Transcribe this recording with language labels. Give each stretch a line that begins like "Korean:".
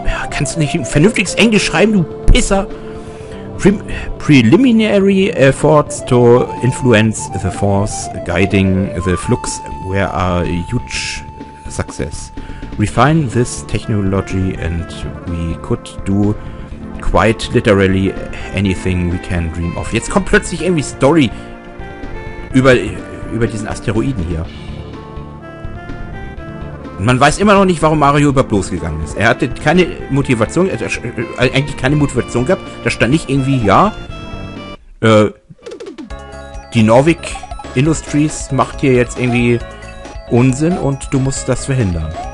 German: Kannst du nicht ein vernünftiges Englisch schreiben, du Pisser?
English: Preliminary efforts to influence the force guiding the flux were a huge success. Refine this technology and we could do quite literally anything we can dream of.
German: Jetzt kommt plötzlich irgendwie Story über diesen Asteroiden hier. Und man weiß immer noch nicht, warum Mario überhaupt losgegangen ist. Er hatte keine Motivation, eigentlich keine Motivation gehabt. Da stand nicht irgendwie, ja, die Norvik Industries macht hier jetzt irgendwie Unsinn und du musst das verhindern.